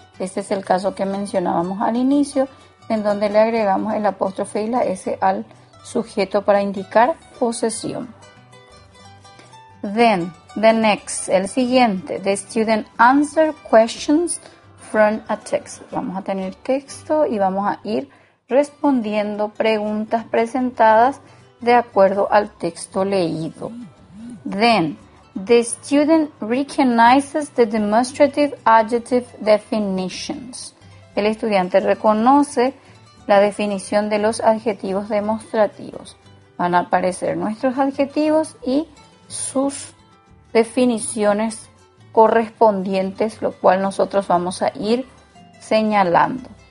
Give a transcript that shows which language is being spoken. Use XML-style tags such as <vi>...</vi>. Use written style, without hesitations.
<es>Este es el caso que mencionábamos al inicio, en donde le agregamos el apóstrofe y la S al sujeto para indicar posesión.</es> <en>Then, The next,</en> <es>el siguiente.</es> <en>The student answer questions from a text.</en> <es>Vamos a tener texto y vamos a ir respondiendo preguntas presentadas de acuerdo al texto leído.</es> <en>Then, the student recognizes the demonstrative adjective definitions.</en> <es>El estudiante reconoce la definición de los adjetivos demostrativos. Van a aparecer nuestros adjetivos y sus definiciones correspondientes, lo cual nosotros vamos a ir señalando.</es>